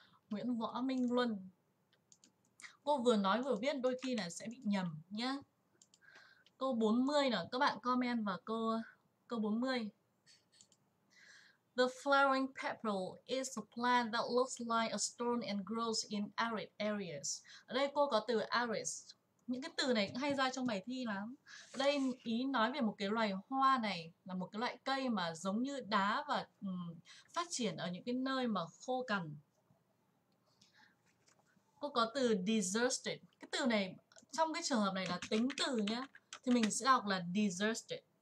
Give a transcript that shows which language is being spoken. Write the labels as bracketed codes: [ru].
[vi] Nguyễn Võ Minh Luân. Cô vừa nói vừa viết đôi khi là sẽ bị nhầm nhá. Câu 40 nào, các bạn comment vào câu 40. [en] The flowering petrel is a plant that looks like a stone and grows in arid areas. [vi] Ở đây cô có từ arid. Những cái từ này cũng hay ra trong bài thi lắm. Đây ý nói về một cái loài hoa này là một cái loại cây mà giống như đá và phát triển ở những cái nơi mà khô cằn. Cô có từ deserted. Cái từ này trong cái trường hợp này là tính từ nhá. Thì mình sẽ đọc là deserted.